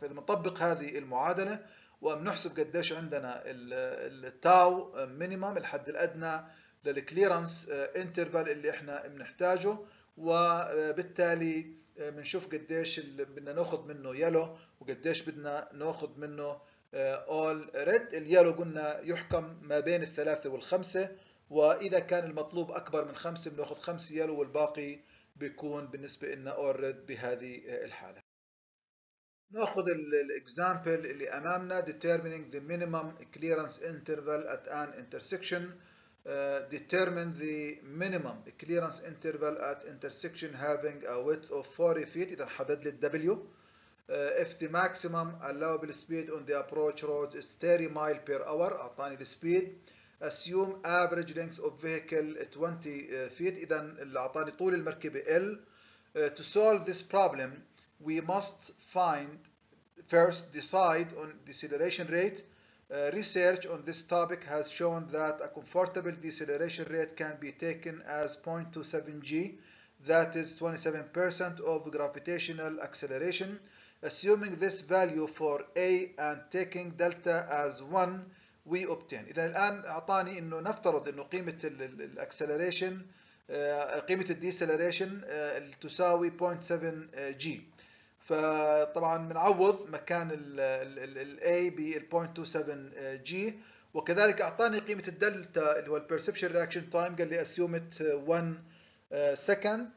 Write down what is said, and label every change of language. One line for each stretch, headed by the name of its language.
Arabic: فاذا بنطبق هذه المعادله وبنحسب قديش عندنا التاو مينيمم الحد الادنى للكليرنس انترفال اللي احنا بنحتاجه، وبالتالي بنشوف قديش بدنا ناخذ منه يلو وقديش بدنا ناخذ منه all red. اليلو قلنا يحكم ما بين الثلاثة والخمسة، وإذا كان المطلوب أكبر من خمسة بنأخذ خمسة يلو والباقي بيكون بالنسبة لنا all red بهذه الحالة. نأخذ الإكزامبل اللي أمامنا
English: determining the minimum clearance interval at an intersection. Determine the minimum clearance interval at intersection having a width of 40 feet.
Arabic: إذا حدد لي الدبليو.
English: If the maximum allowable speed on the approach roads is 30 mile per hour,
Arabic: أعطاني السبيد.
English: Assume average length of vehicle 20 feet.
Arabic: إذا اللي أعطاني طول المركبة L.
English: To solve this problem, we must find first decide on deceleration rate. Research on this topic has shown that a comfortable deceleration rate can be taken as 0.27g, that is 27% of gravitational acceleration. Assuming this value for A and taking delta as 1, we obtain.
Arabic: إذا الآن أعطاني إنه نفترض إنه قيمة الـ acceleration قيمة الـ deceleration تساوي 0.7g. فطبعا بنعوض مكان الـ A بالـ 0.27g، وكذلك أعطاني قيمة الدلتا اللي هو الـ perception reaction time، قال لي
English: assumed 1 second.